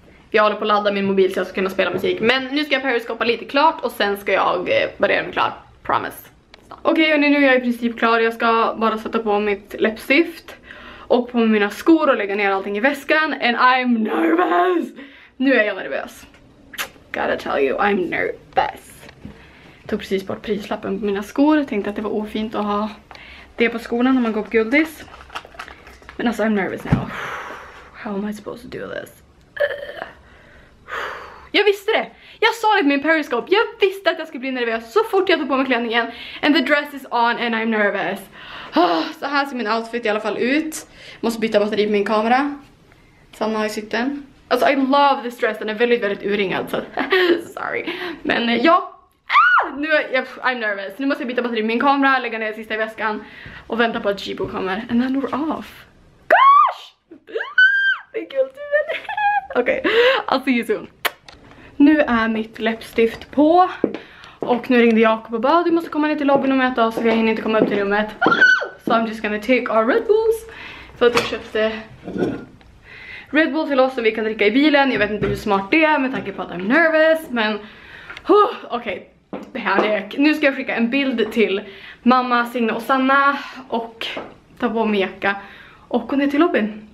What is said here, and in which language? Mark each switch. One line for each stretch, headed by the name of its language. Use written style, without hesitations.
Swedish: Jag håller på att ladda min mobil så jag ska kunna spela musik. Men nu ska jag periscopa lite klart. Och sen ska jag börja med klar. Promise. Okej, okay, nu är jag i princip klar. Jag ska bara sätta på mitt läppstift. Och på mina skor och lägga ner allting i väskan.
English: And I'm nervous.
Swedish: Nu är jag nervös.
English: Gotta tell you, I'm nervous.
Swedish: Tog precis bort prislappen på mina skor. Tänkte att det var ofint att ha det på skorna när man går på guldis. Men alltså,
English: I'm nervous now. How am I supposed to do this?
Swedish: Jag visste det! Jag sa det på min periscope. Jag visste att jag skulle bli nervös så fort jag tog på mig klänningen.
English: And the dress is on and I'm nervous.
Swedish: Så här ser min outfit i alla fall ut. Måste byta batteri på min kamera. Sanna har ju sytten. Alltså,
English: I love this dress.
Swedish: Den är väldigt, väldigt urringad. Så. Sorry. Men ja. Nu är jag,
English: I'm nervous.
Swedish: Nu måste jag byta batteri på min kamera, lägga ner sista i väskan och vänta på att Jibo kommer.
English: And then we're off.
Swedish: Gosh! Det är kul till mig. Okej,
English: I'll see you soon.
Swedish: Nu är mitt läppstift på. Och nu ringde Jakob och bara, du måste komma ner till lobbyn och mäta oss, vi hinner inte komma upp till rummet.
English: So I'm just gonna take our Red Bulls.
Swedish: För att jag köpte Red Bull till oss som vi kan dricka i bilen. Jag vet inte hur smart det är med tanke på att
English: I'm nervous.
Swedish: Men okej. Panic. Nu ska jag skicka en bild till mamma, Signe och Sanna och ta på mig jacka och gå ner till lobbyn.